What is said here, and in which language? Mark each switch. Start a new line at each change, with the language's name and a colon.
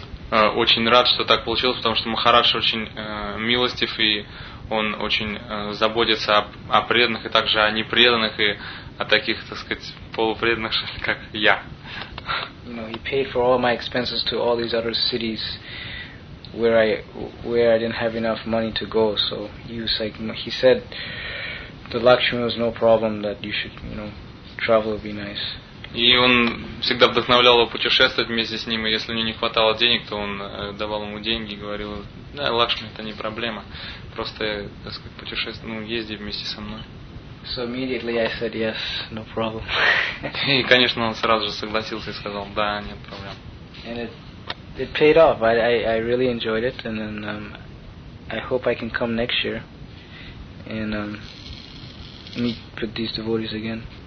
Russian: Очень рад, что так получилось, потому что Махарадж очень милостив, и он очень заботится о преданных, и также о непреданных, и о таких, так сказать, полувредных, как я.
English: You know, he paid for all my expenses to all these other cities where I didn't have enough money to go. So he was like, he said, the luxury was no problem, that you should, you know, travel would be nice.
Russian: И он всегда вдохновлял его путешествовать вместе с ним, и если у него не хватало денег, то он давал ему деньги и говорил, да, Лакшми, это не проблема, просто, так сказать, путешествуй, ну, езди вместе со мной.
English: So immediately I said, yes, no problem.
Russian: И, конечно, он сразу же согласился и сказал, да, нет проблем.
English: And it paid off. I really enjoyed it, and then I hope I can come next year and meet with these devotees again.